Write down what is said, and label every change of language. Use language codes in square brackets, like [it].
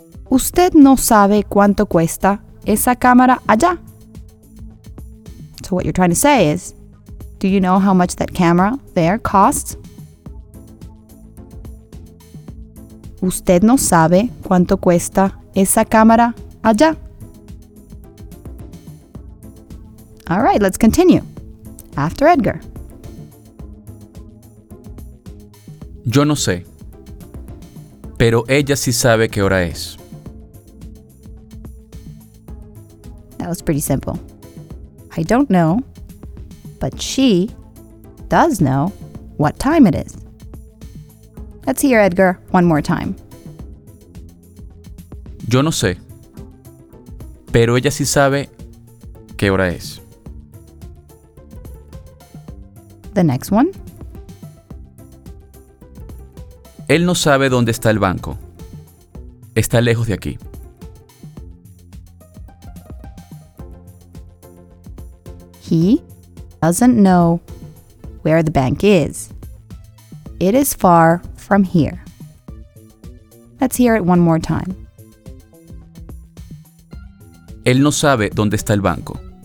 [es] Usted no sabe cuánto cuesta esa cámara allá. [en] So what you're trying to say is, do you know how much that camera there costs? [es] Usted no sabe cuánto cuesta esa cámara allá. [en] All right, let's continue. After Edgar. [es] Yo no sé, pero ella sí sabe qué hora es. [en] That was pretty simple. I don't know, but she does know what time it is. Let's hear Edgar one more time. [es] Yo no sé, pero ella sí sabe qué hora es. [en] The next one. [es] Él no sabe dónde está el banco. Está lejos de aquí. [en] He doesn't know where the bank is. It is far from here. Let's hear it one more time. [es] Él no sabe dónde está el banco.